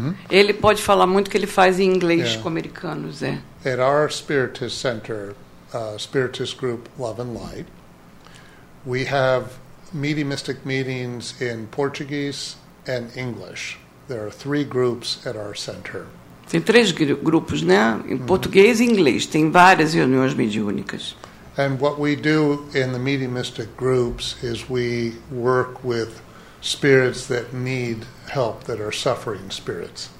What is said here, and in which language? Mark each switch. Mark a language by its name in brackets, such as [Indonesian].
[Portuguese] Ele pode falar muito que ele faz em inglês com americanos. [English] At our Spiritist Center, Spiritist Group Love and Light, we have mediumistic meetings in Portuguese and English. There are three groups at our center. [Portuguese] Tem três grupos, né? Em português e inglês. Tem várias reuniões mediúnicas. [English] And what we do in the mediumistic groups is we work with spirits that need help, that are suffering spirits.